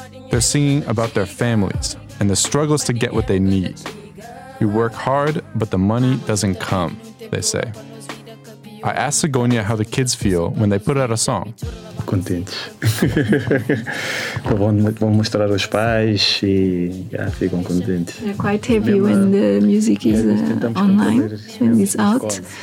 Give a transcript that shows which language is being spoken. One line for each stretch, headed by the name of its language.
English: They're singing about their families and the struggles to get what they need. You work hard, but the money doesn't come, they say. I asked Cegonha how the kids feel when they put out a song.
Portuguese: Contentes. Vão mostrar aos pais e yeah, ficam contentes.
English: They're quite happy when the music is online, when it's out.